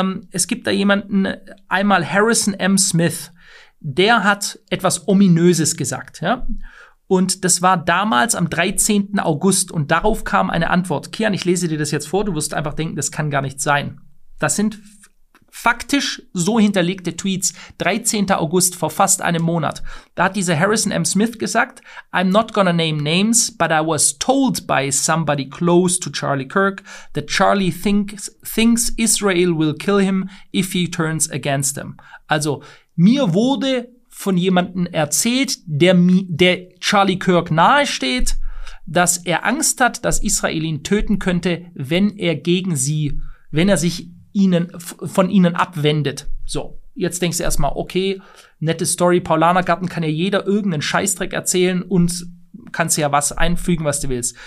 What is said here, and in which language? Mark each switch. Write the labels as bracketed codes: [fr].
[de] Es gibt da jemanden, einmal Harrison M. Smith, der hat etwas Ominöses gesagt, ja. Und das war damals am 13. August und darauf kam eine Antwort. Kian, ich lese dir das jetzt vor, du wirst einfach denken, das kann gar nicht sein. Das sind faktisch so hinterlegte Tweets. 13. August, vor fast einem Monat. Da hat dieser Harrison M. [en] Smith [de] gesagt, [en] I'm not gonna name names, but I was told by somebody close to Charlie Kirk that Charlie thinks Israel will kill him if he turns against them. [de] Also, mir wurde von jemandem erzählt, der Charlie Kirk nahesteht, dass er Angst hat, dass Israel ihn töten könnte, wenn er sich von ihnen abwendet. So, jetzt denkst du erstmal, okay, nette Story, Paulanergarten, kann ja jeder irgendeinen Scheißdreck erzählen und kannst ja was einfügen, was du willst.